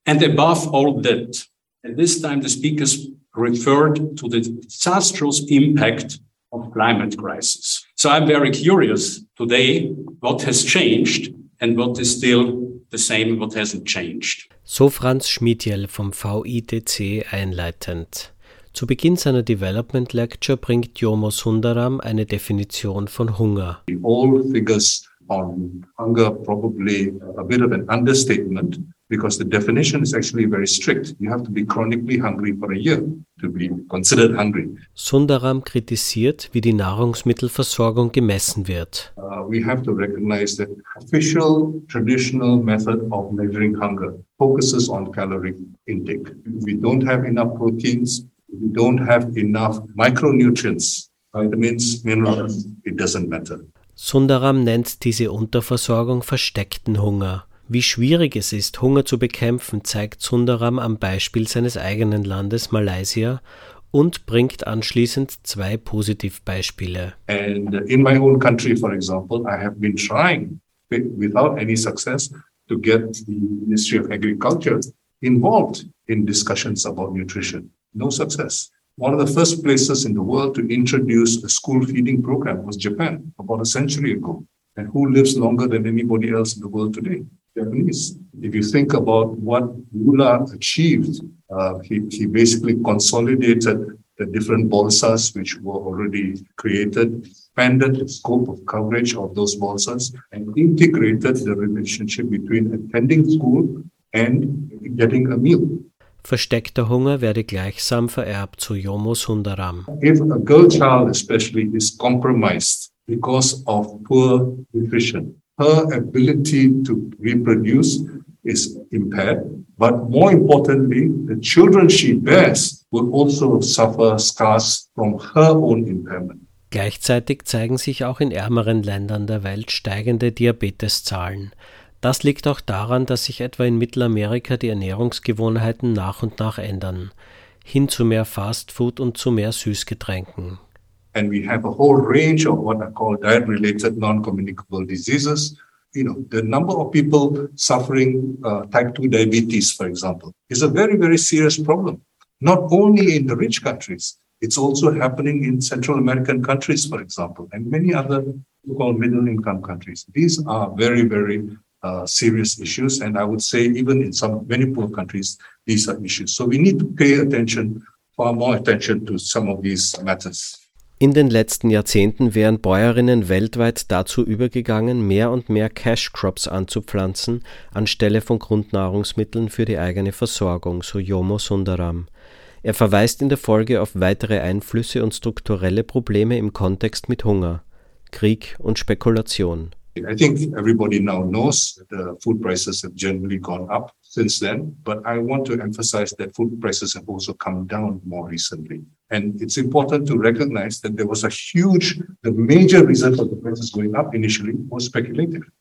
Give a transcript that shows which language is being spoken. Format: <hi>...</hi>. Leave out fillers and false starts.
<en>And above all that, and this time the speakers referred to the disastrous impact of climate crisis. So I'm very curious today what has changed and what is still the same, what hasn't changed.</en> <de>So Franz Schmidjell vom VIDC einleitend. Zu Beginn seiner Development Lecture bringt Jomo Sundaram eine Definition von Hunger.</de> <en>All figures on hunger probably a bit of an understatement, because the definition is actually very strict. You have to be chronically hungry for a year to be considered hungry.</en> <de>Sundaram kritisiert, wie die Nahrungsmittelversorgung gemessen wird.</de> <en>We have to recognize that official traditional method of measuring hunger focuses on calorie intake. We don't have enough proteins, we don't have enough micronutrients, vitamins, minerals, it doesn't matter.</en> <de>Sundaram nennt diese Unterversorgung versteckten Hunger. Wie schwierig es ist, Hunger zu bekämpfen, zeigt Sundaram am Beispiel seines eigenen Landes Malaysia und bringt anschließend zwei Positivbeispiele.</de> <en>And in my own country, for example, I have been trying, without any success, to get the Ministry of Agriculture involved in discussions about nutrition. No success. One of the first places in the world to introduce a school feeding program was Japan, about a century ago. And who lives longer than anybody else in the world today? Japanese. If you think about what Lula achieved, he basically consolidated the different bolsas which were already created, expanded the scope of coverage of those bolsas, and integrated the relationship between attending school and getting a meal.</en> <de>Versteckter Hunger werde gleichsam vererbt, so Jomo Sundaram.</de> <en>If a girl child especially is compromised because of poor nutrition, her ability to reproduce is impaired, but more importantly, the children she bears will also suffer scars from her own impairment.</en> <de>Gleichzeitig zeigen sich auch in ärmeren Ländern der Welt steigende Diabeteszahlen. Das liegt auch daran, dass sich etwa in Mittelamerika die Ernährungsgewohnheiten nach und nach ändern, hin zu mehr Fastfood und zu mehr Süßgetränken.</de> <en>And we have a whole range of what I call diet-related non-communicable diseases. You know, the number of people suffering type 2 diabetes, for example, is a very, very serious problem. Not only in the rich countries, it's also happening in Central American countries, for example, and many other so-called middle-income countries. These are very, very serious issues, and I would say even in some many poor countries, these are issues. So we need to pay attention, far more attention to some of these matters.</en> <de>In den letzten Jahrzehnten wären Bäuerinnen weltweit dazu übergegangen, mehr und mehr Cash Crops anzupflanzen, anstelle von Grundnahrungsmitteln für die eigene Versorgung, so Jomo Sundaram. Er verweist in der Folge auf weitere Einflüsse und strukturelle Probleme im Kontext mit Hunger, Krieg und Spekulation.</de> <en>I think everybody now knows the food prices have generally gone up since then, but I want to emphasize that food prices have also come down more recently. And it's important to recognize that there was a huge, the major reason for the prices going up initially was speculative.</en>